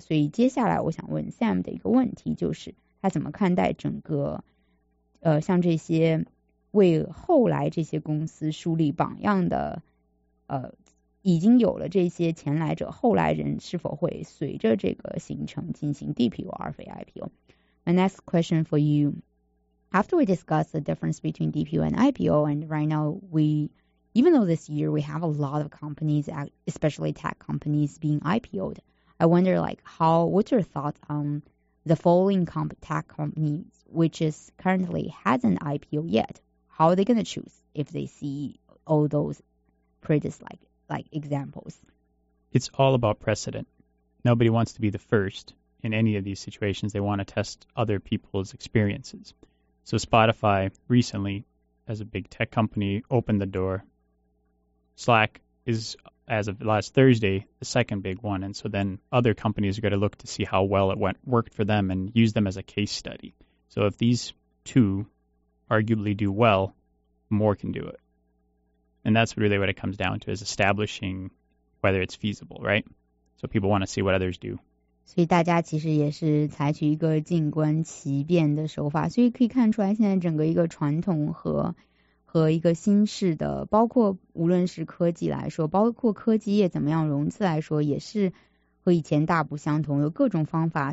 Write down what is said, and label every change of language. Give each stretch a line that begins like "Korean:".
Chinese: 所以接下来我想问 Sam 的一个问题，就是他怎么看待整个像这些为后来这些公司树立榜样的已经有了这些前来者，后来人是否会随着这个行程进行 DPO 而非 IPO?
English: My next question for you. After we discuss the difference between DPO and IPO, and right now even though this year we have a lot of companies, especially tech companies, being IPO'd, I wonder what's your thoughts on the following tech companies, which is currently hasn't IPO yet? How are they going to choose if they see all those previous like examples? It's all about precedent. Nobody wants to be the first in any of these situations. They want to test other people's experiences. So Spotify recently, as a big tech company, opened the door. Slack is, as of last Thursday, the second big one. And so then other companies are going to look to see how well it worked for them and use them as a case study. So if these two arguably do well, more can do it. And that's really what it comes down to, is establishing whether it's feasible, right? So people want to see what others do.
Chinese: 所以大家其实也是采取一个静观其变的手法。所以可以看出来现在整个一个传统和一个新式的，包括无论是科技来说，包括科技业怎么样融资来说，也是和以前大不相同，有各种方法。